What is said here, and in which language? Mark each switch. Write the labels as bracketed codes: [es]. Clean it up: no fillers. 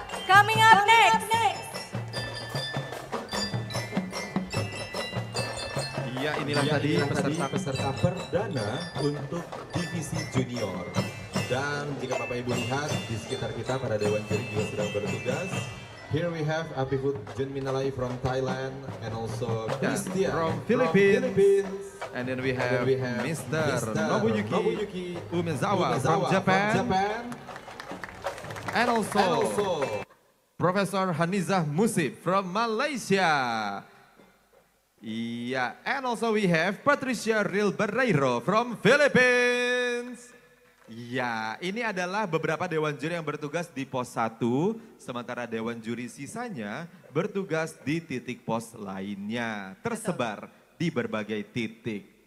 [en] Coming up next. [id] Ya, inilah ya, tadi peserta-peserta perdana untuk divisi junior. Dan jika Bapak Ibu lihat di sekitar kita para dewan juri juga sedang bertugas. [en] Here we have Apivut Junminalai from Thailand and also Christian from Philippines. And then we have, Mr. Nobuyuki Umezawa from Japan. And also, Professor Hanizah Musib from Malaysia. Yeah, and also we have Patricia Real Barreiro from Philippines. [id] Yeah, ini adalah beberapa dewan juri yang bertugas di pos 1, sementara dewan juri sisanya bertugas di titik pos lainnya, tersebar di berbagai titik.